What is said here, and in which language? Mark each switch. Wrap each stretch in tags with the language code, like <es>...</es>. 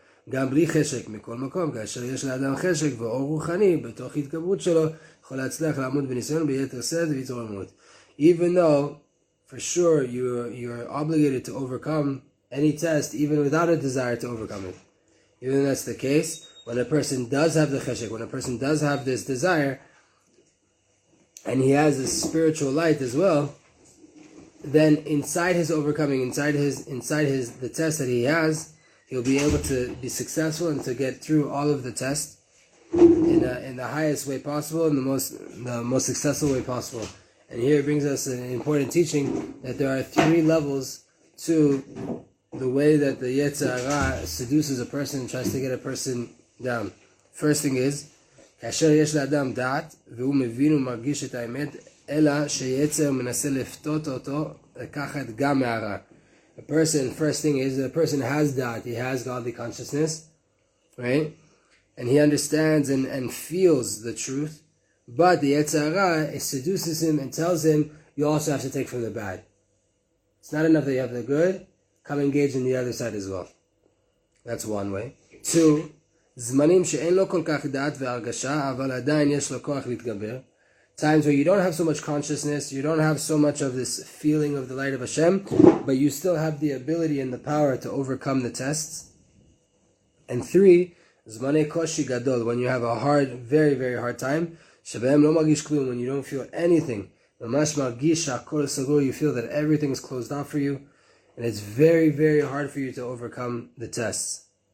<he>גם בלי חשק מכל מקום, כאשר יש לאדם חשק ואור רוחני בתוך התגברות שלו, יכול להצליח לעמוד בניסיון ביתר סד והתרוממות.</he> <en>Even though, for sure, you're obligated to overcome any test, even without a desire to overcome it. Even that's the case, when a person does have the cheshek, when a person does have this desire, and he has a spiritual light as well, then inside his overcoming, inside his the test that he has, he'll be able to be successful and to get through all of the tests in the highest way possible, and the most successful way possible. And here it brings us an important teaching that there are three levels to the way that the Yetzer Hara seduces a person and tries to get a person down. First thing is,</en> <he>כאשר יש לאדם דעת, והוא מבין ומרגיש את האמת, אלא שיצר מנסה לפתות אותו לקחת גם מהרע.</he> <en>A person, first thing is, a person has that, he has godly consciousness, right? And he understands and feels the truth, but the Yetzer Hara seduces him and tells him, you also have to take from the bad. It's not enough that you have the good, come engage in the other side as well. That's one way.</en> <he>Two, זמנים שאין לו כל כך דעת והרגשה, אבל עדיין יש לו כוח להתגבר.</he> <en>Times where you don't have so much consciousness, you don't have so much of this feeling of the light of Hashem, but you still have the ability and the power to overcome the tests. And three,</en> <he>זמני קושי גדול,</he> <en>when you have a hard, very, very hard time,</en> <he>שבהם לא מרגיש כלום,</he> <en>when you don't feel anything,</en> <he>ממש מרגיש שהכל סגור,</he> <en>you feel that everything is closed off for you, and it's very, very hard for you to overcome the tests.</en>